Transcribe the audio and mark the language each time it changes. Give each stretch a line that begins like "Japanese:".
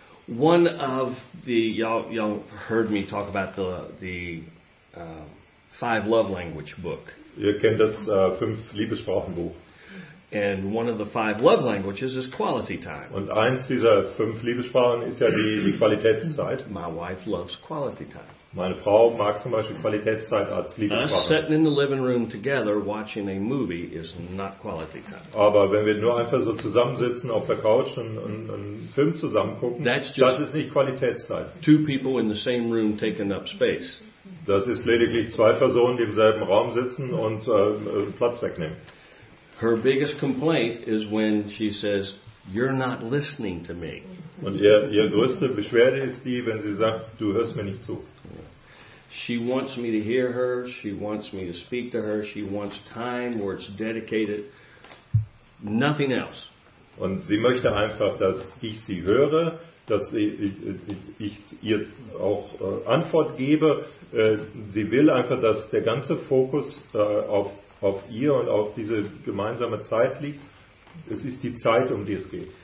English: One of the y'all heard me talk about the five love language book.
German: Ihr kennt das fünf Liebessprachenbuch.
English: And one of the five love languages is quality time.
German: Und eins dieser fünf Liebessprachen ist ja die Qualitätszeit.
English: My wife loves quality time.
German: Meine Frau mag zum Beispiel Qualitätszeit als Liebessprache.
English: Us sitting in the living room together watching a movie is not quality time.
German: Aber wenn wir nur einfach so zusammensitzen auf der Couch und einen Film zusammen gucken, das ist nicht Qualitätszeit.
English: Two people in the same room taking up space.
German: Das ist lediglich zwei Personen, die im selben Raum sitzen und Platz wegnehmen.
English: Her biggest complaint is when she says, "You're not listening to me."
German: Und ihr größte Beschwerde ist die, wenn sie sagt, du hörst mir nicht zu.
English: She wants me to hear her. She wants me to speak to her. She wants time where it's dedicated. Nothing else.
German: Und sie möchte einfach, dass ich sie höre, dass ich ihr auch Antwort gebe. Sie will einfach, dass der ganze Fokus auf ihr und auf diese gemeinsame Zeit liegt. Es ist die Zeit, um die es geht.